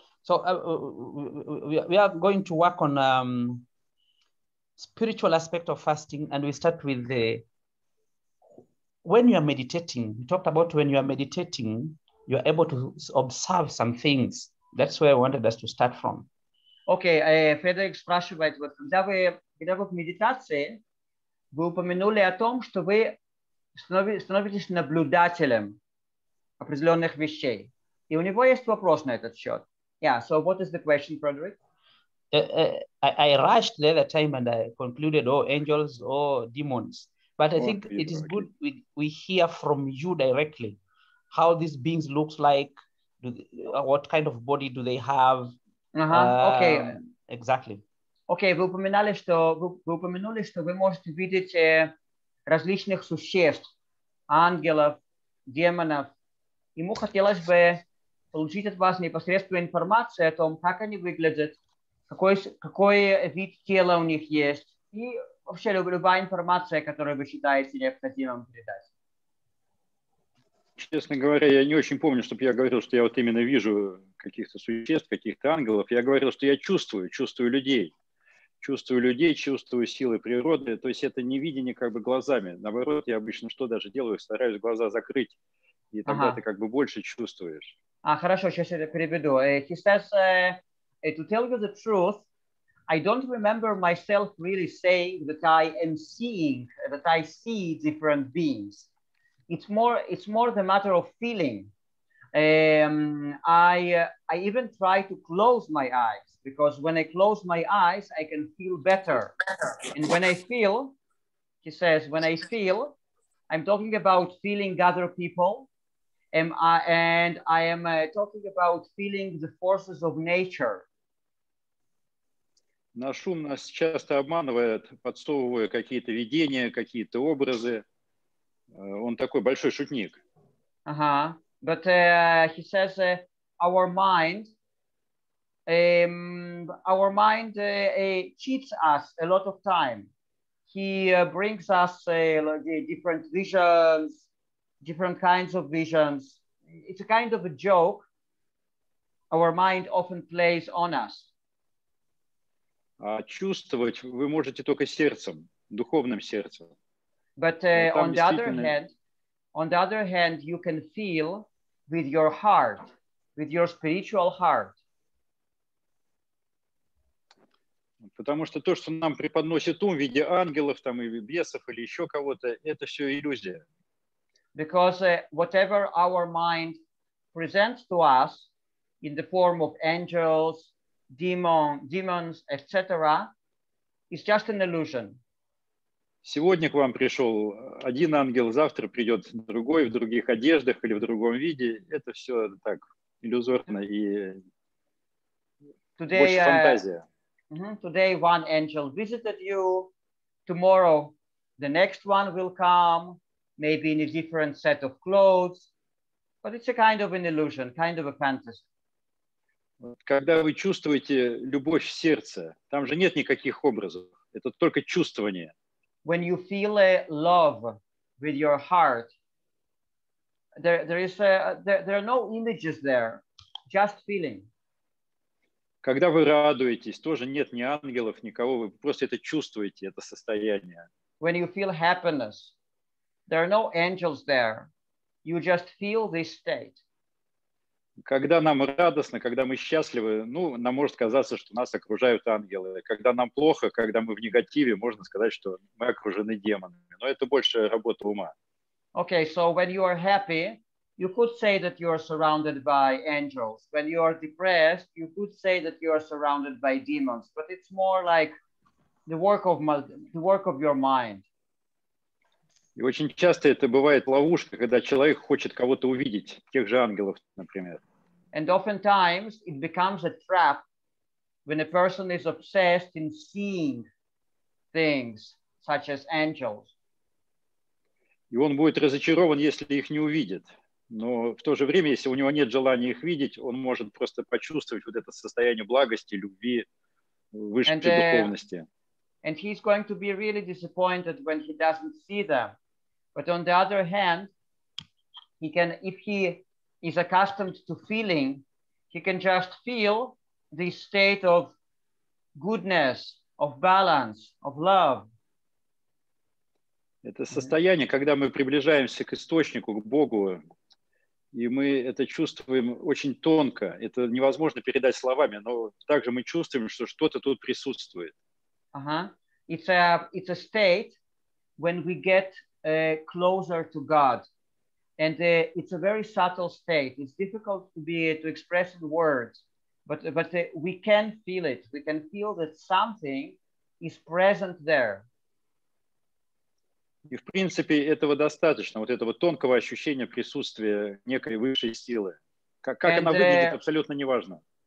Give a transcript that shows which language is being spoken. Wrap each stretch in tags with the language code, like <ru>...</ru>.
<en>So we are going to work on spiritual aspect of fasting, and we start with the... When you are meditating, we talked about when you are meditating, you are able to observe some things. That's where I wanted us to start from.</en> <ru>Okay, Frederick спрашивает, вот, когда вы в медитации, вы упомянули о том, что вы становитесь наблюдателем определенных вещей. И у него есть вопрос на этот счет.</ru> <en>Yeah, so what is the question, Frederick? I rushed the other time and I concluded, oh, angels or demons. But I think it is good we hear from you directly how these beings look like, what kind of body do they have. Okay. Exactly.</en> <ru>Okay, вы упоминали, что вы можете видеть различных существ, ангелов, демонов. Ему хотелось бы получить от вас непосредственную информацию о том, как они выглядят, какой вид тела у них есть, и вообще любая информация, которую вы считаете необходимым передать. Честно говоря, я не очень помню, чтобы я говорил, что я вот именно вижу каких-то существ, каких-то ангелов. Я говорил, что я чувствую людей. Чувствую людей, чувствую силы природы. То есть это не видение как бы глазами. Наоборот, я обычно что даже делаю? Стараюсь глаза закрыть. И тогда ты как бы больше чувствуешь. Хорошо, сейчас я это переведу.</ru> <en>He says, to tell you the truth, I don't remember myself really saying that I am seeing, that I see different beings. It's more the matter of feeling. I even try to close my eyes. Because when I close my eyes, I can feel better. And when I feel, he says, when I feel, I'm talking about feeling other people. And I am talking about feeling the forces of nature.</en> <ru>Наш ум нас часто обманывает, подсовывая какие-то видения, какие-то образы. Он такой большой шутник.</ru> <en>Our mind cheats us a lot of time. He brings us different visions, different kinds of visions. It's a kind of a joke. Our mind often plays on us.</en> <ru>Чувствовать вы можете только сердцем, духовным сердцем.</ru> <en>But on the other hand, you can feel with your heart, with your spiritual heart.</en> <ru>Потому что то, что нам преподносит ум в виде ангелов, там, или бесов, или еще кого-то, это все иллюзия.</ru> <en>Because whatever our mind presents to us in the form of angels, demons, etc., is just an illusion.</en> <ru>Сегодня к вам пришел один ангел, завтра придет другой в других одеждах или в другом виде. Это все так иллюзорно и</ru> <en>Today,</en> <ru>больше фантазия.</ru> <en>Today one angel visited you. Tomorrow the next one will come, maybe in a different set of clothes. But it's a kind of an illusion, kind of a fantasy.</en> <ru>Когда вы чувствуете любовь в сердце, там же нет никаких образов. Это только чувствование.</ru> <en>When you feel a love with your heart, there are no images there, just feeling.</en> <ru>Когда вы радуетесь, тоже нет ни ангелов, никого, вы просто это чувствуете, это состояние.</ru> <en>When you feel happiness, there are no angels there. You just feel this state.</en> <ru>Когда нам радостно, когда мы счастливы, ну, нам может казаться, что нас окружают ангелы. Когда нам плохо, когда мы в негативе, можно сказать, что мы окружены демонами. Но это больше работа ума.</ru> <en>Okay, so when you are happy, you could say that you are surrounded by angels. When you are depressed, you could say that you are surrounded by demons. But it's more like the work of your mind.</en> <ru>И очень часто это бывает ловушка, когда человек хочет кого-то увидеть, тех же ангелов, например.</ru> <en>And oftentimes it becomes a trap when a person is obsessed in seeing things such as angels.</en> <ru>И он будет разочарован, если их не увидит. Но в то же время, если у него нет желания их видеть, он может просто почувствовать вот это состояние благости, любви, высшей духовности.</ru> <en>And he's going to be really disappointed when he doesn't see them. But on the other hand, he can, if he is accustomed to feeling, he can just feel this state of goodness, of balance, of love.</en> <ru>Это состояние, когда мы приближаемся к источнику, к Богу, и мы это чувствуем очень тонко. Это невозможно передать словами, но также мы чувствуем, что что-то тут присутствует.</ru> <en>It's a state when we get closer to God. And it's a very subtle state. It's difficult to be to express in words, but we can feel it. We can feel that something is present there.</en> <ru>И, в принципе, этого достаточно, вот этого тонкого ощущения присутствия некой высшей силы. Как она выглядит, абсолютно неважно.</ru>